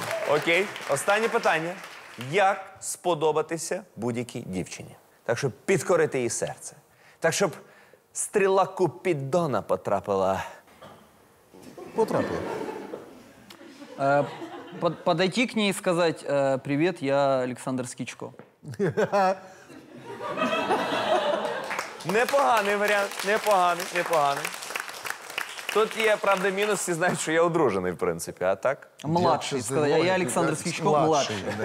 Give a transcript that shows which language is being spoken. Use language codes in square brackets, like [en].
[uk] Окей, останнє питання. Як сподобатися будь-якій дівчині? Так, щоб підкорити її серце. Так, щоб стріла Купідона потрапила. Потрапила. [ru] Подойти к ней и сказать: привет, я Александр Скічко. [uk] Непоганий варіант, непоганий, непоганий. Тут є, правда, мінус, всі знають, що я одружений, в принципі, а так? Младший, сказав, я Олександр Скічко, младший.